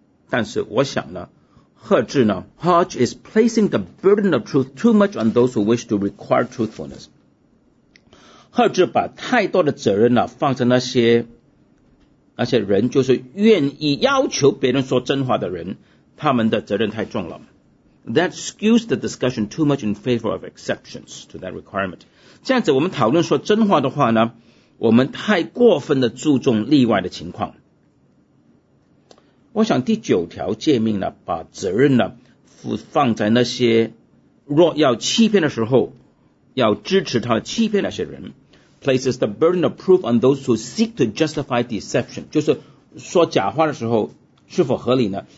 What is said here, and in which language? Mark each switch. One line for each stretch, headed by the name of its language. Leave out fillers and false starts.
Chinese: 但是我想呢，赫治呢
English: ，Hodge is placing the burden of truth too much on those who wish to require truthfulness。
Chinese: 赫治把太多的责任呢放在那些人，就是愿意要求别人说真话的人，他们的责任太重了。
English: That skews the discussion too much in favor of exceptions to that requirement。
Chinese: 这样子，我们讨论说真话的话呢，我们太过分的注重例外的情况。我想第九条诫命呢，把责任呢放在那些若要欺骗的时候要支持他欺骗那些人，
English: places the burden of proof on those who seek to justify deception，
Chinese: 就是说假话的时候是否合理呢？